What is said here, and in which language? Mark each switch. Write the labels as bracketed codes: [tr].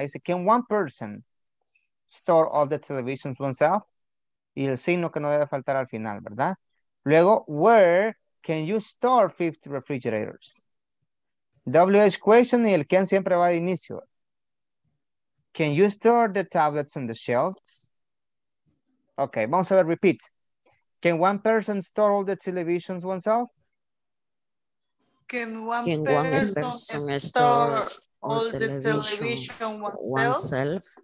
[es] Dice, [en] can one person store all the televisions oneself? [es] Y el signo que no debe faltar al final, ¿verdad? Luego, [en] where can you store 50 refrigerators? [es] WH question y el can siempre va de inicio. [en] Can you store the tablets on the shelves? Okay, [es] vamos a ver, [en] repeat. Can one person store all the televisions oneself? Can one person store all the television oneself?